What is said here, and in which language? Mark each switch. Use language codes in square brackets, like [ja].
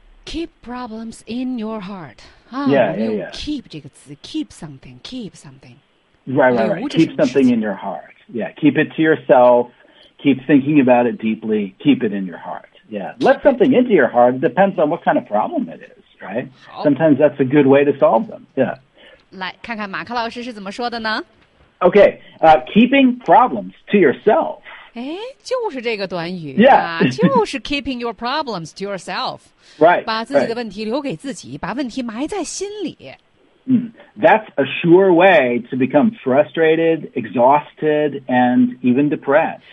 [en] Keep problems in your heart. Keep [zh] 这个词 [en] keep something. Right. Keep something in your heart. Yeah, keep it to yourself. Keep thinking about it deeply. Keep it in your heart. Yeah, let something into your heart. Depends on what kind of problem it is, right? Sometimes that's a good way to solve them. Yeah. [zh] 来看看马克老师是怎么说的呢 [en] Okay, keeping problems to yourself. [zh] 就是这个短语、就 [en] 是 keeping your problems to yourself right, [zh] 把自己的问题留给自己、 [en] right. [zh] 把问题埋在心里、 [en] That's a sure way to become frustrated, exhausted, and even depressed